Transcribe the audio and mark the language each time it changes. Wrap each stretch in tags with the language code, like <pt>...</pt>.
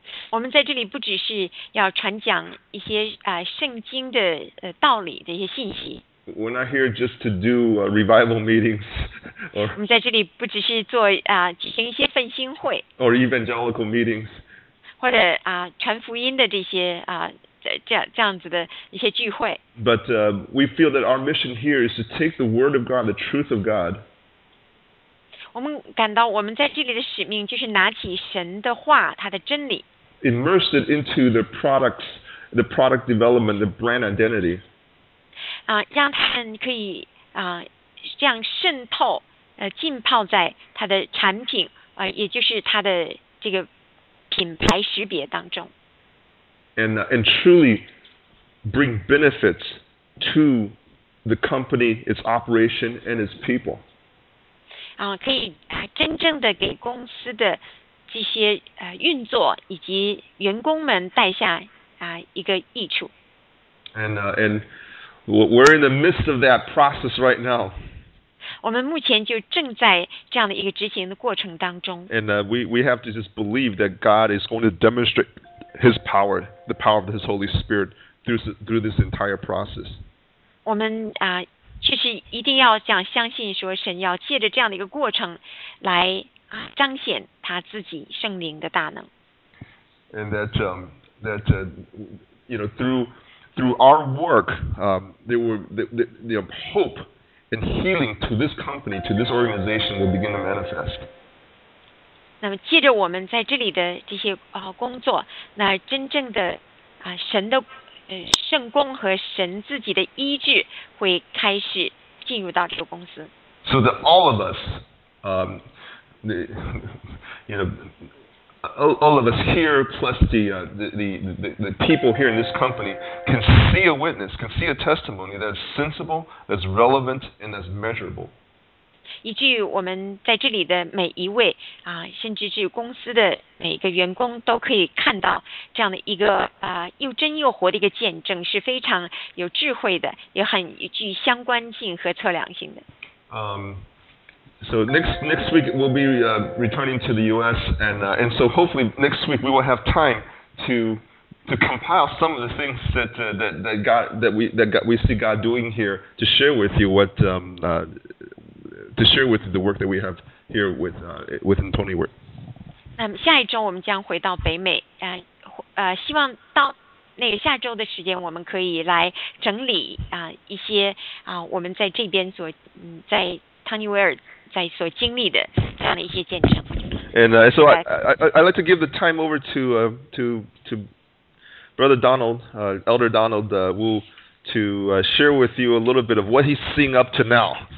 <zh>我们在这里不只是要传讲一些圣经的道理的一些信息。</zh> <en>We're not here just to do revival meetings.</en> <zh>我们在这里不只是做举行一些奉新会。</zh> <en>Or evangelical meetings.</en> <zh>或者传福音的这些这样子的一些聚会。</zh> <en>But we feel that our mission here is to take the word of God, the truth of God.</en> <zh>我们感到我们在这里的使命就是拿起神的话，他的真理。</zh> <en>Immerse it into the product development, the brand identity.</en> <zh>让他们可以这样渗透浸泡在他的产品也就是他的这个品牌识别当中。</zh> <en>And truly bring benefits to the company, its operation, and its people.</en> <zh>可以真正的给公司的这些运作以及员工们带下一个益处。</zh> <en>And we're in the midst of that process right now.</en> <zh>我们目前就正在这样的一个执行的过程当中。</zh> <en>And we have to just believe that God is going to demonstrate His power, the power of His Holy Spirit through this entire process.</en> <zh>我们确实一定要想相信说神要借着这样的一个过程来彰显他自己圣灵的大能。</zh> <en>And that through our work, there were hope and healing to this company, to this organization will begin to manifest.</en> <zh>那么借着我们在这里的这些工作，那真正的神的圣工和神自己的医治会开始进入到这个公司。</zh> <en>So that all of us, all of us here plus the people here in this company can see a witness, can see a testimony that's sensible, that's relevant, and that's measurable.</en> <zh>以至于我们在这里的每一位甚至是公司的每一个员工都可以看到这样的一个又真又活的一个见证，是非常有智慧的，也很具相关性和测量性的。</zh> <en>So next week we'll be returning to the U.S. and so hopefully next week we will have time to compile some of the things that we see God doing here to share with you the work that we have here within Tony Ware.</en> <zh>那么下一周我们将回到北美，希望到那个下周的时间，我们可以来整理一些我们在这边所在 Tony Ware。在所经历的这样的一些见证。</zh> <en>And so I'd like to give the time over to Brother Donald, Elder Donald Wu, to share with you a little bit of what he's seeing up to now.</en>